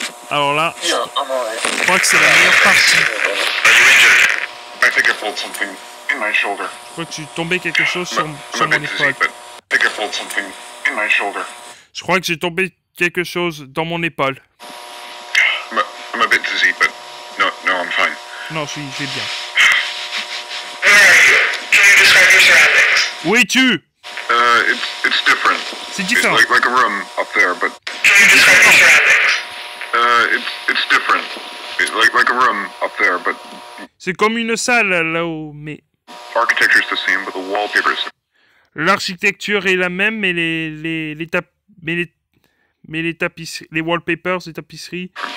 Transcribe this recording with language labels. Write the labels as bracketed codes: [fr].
[fr] Alors là, je crois que c'est la meilleure partie. Je crois que tu tombais quelque chose sur mon épaule. Je crois que j'ai tombé quelque chose dans mon épaule. [en] I'm a bit dizzy, but no, I'm fine. [fr] Non, je vais bien. [en] Can you describe your surroundings? [fr] Où es-tu? [en] It's different. [fr] C'est différent. [en] It's like a room up there, but. Can you describe your surroundings? It's different. It's like a room up there, but. [fr] C'est comme une salle là-haut, mais. Architecture is the same, but the wallpaper is. L'architecture est la même, mais les wallpapers, les tapisseries